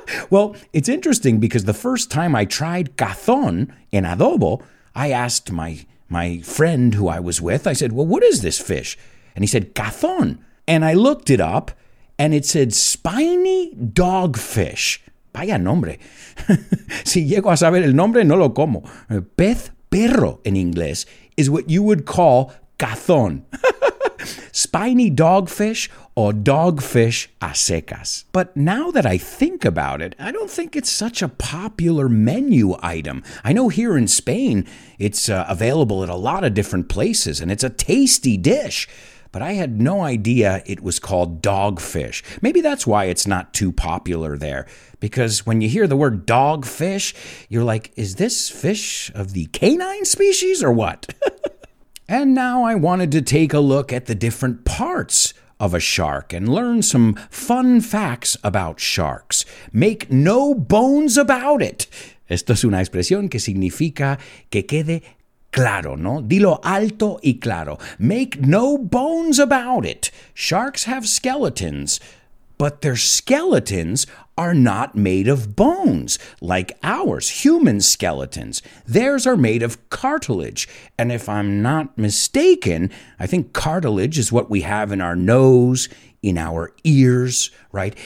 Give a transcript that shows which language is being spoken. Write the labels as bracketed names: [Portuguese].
[English] Well, it's interesting because the first time I tried cazón en adobo, I asked my friend who I was with, I said, well, what is this fish? And he said, cazón. And I looked it up and it said spiny dogfish. [Spanish] Vaya nombre. Si llego a saber el nombre, no lo como. [English] Pez perro in inglés is what you would call cazón. Spiny dogfish or dogfish [Spanish] a secas. [English] But now that I think about it, I don't think it's such a popular menu item. I know here in Spain, it's available at a lot of different places and it's a tasty dish. But I had no idea it was called dogfish. Maybe that's why it's not too popular there. Because when you hear the word dogfish, you're like, is this fish of the canine species or what? And now I wanted to take a look at the different parts of a shark and learn some fun facts about sharks. Make no bones about it. [Spanish] Esto es una expresión que significa que quede claro, ¿no? Dilo alto y claro. [English] Make no bones about it. Sharks have skeletons, but their skeletons are not made of bones, like ours, human skeletons. Theirs are made of cartilage. And if I'm not mistaken, I think cartilage is what we have in our nose, in our ears, right?